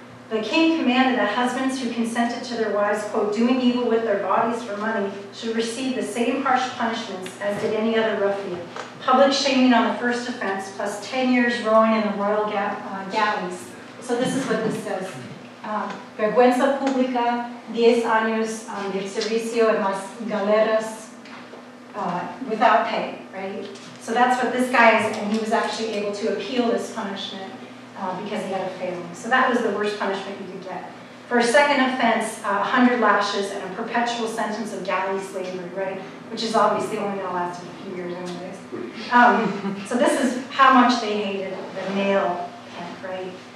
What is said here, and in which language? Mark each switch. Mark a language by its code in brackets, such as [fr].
[en] The king commanded that husbands who consented to their wives, quote, doing evil with their bodies for money, should receive the same harsh punishments as did any other ruffian. Public shaming on the first offense, plus 10 years rowing in the royal galleys. So this is what this says. [es] Vergüenza pública, 10 años de servicio en las galeras. [en] Without pay, right? So that's what this guy is, and he was actually able to appeal this punishment because he had a family. So that was the worst punishment you could get. For a second offense, 100 lashes and a perpetual sentence of galley slavery, right? Which is obviously only going to last a few years anyways. So this is how much they hated the male pimp, right?